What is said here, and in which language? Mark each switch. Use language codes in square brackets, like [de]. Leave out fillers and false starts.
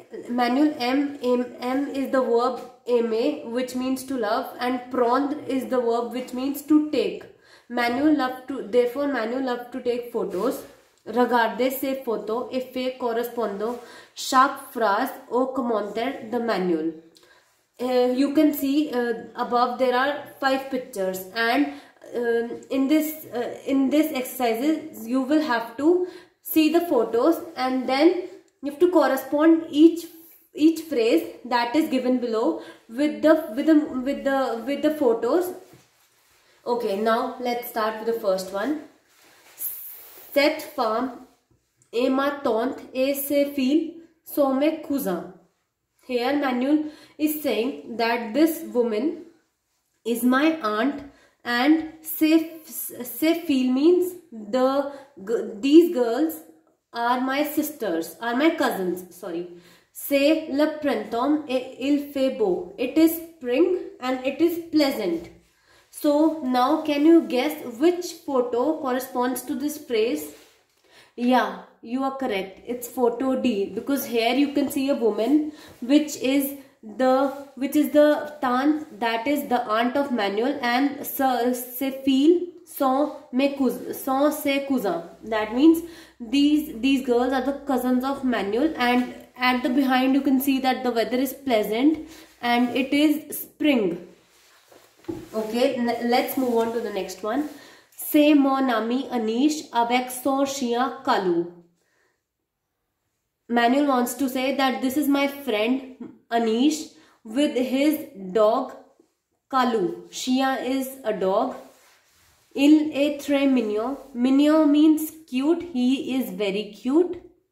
[en] Manuel aime is the verb aimer which means to love and prendre is the verb which means to take. Manuel love to take photos. [fr] Regardez ces photos et fait correspondant chaque phrase au commentaire de Manuel. [en] You can see above there are 5 pictures and in this exercises you will have to see the photos and then you have to correspond each phrase that is given below with the photos. Okay, now let's start with the first one. [fr] Cette femme est ma tante et ses filles sont mes cousins. [en] Here Manuel is saying that this woman is my aunt and [fr] ses filles [en] means these girls are my sisters, are my cousins, sorry. [fr] C'est le printemps et il fait beau. [en] It is spring and it is pleasant. So now can you guess which photo corresponds to this phrase? Yeah, you are correct. It's photo D because here you can see a woman which is the tante, that is the aunt of Manuel, and [fr] ses filles sont ses cousins. [en] That means these girls are the cousins of Manuel, and at the behind you can see that the weather is pleasant and it is spring. Okay, let's move on to the next one. [fr] C'est mon ami Anish avec son chien Kalu. [en] Manuel wants to say that this is my friend Anish with his dog Kalu. Chien is a dog. [fr] Il est très mignon. [en] Mignon means cute. He is very cute.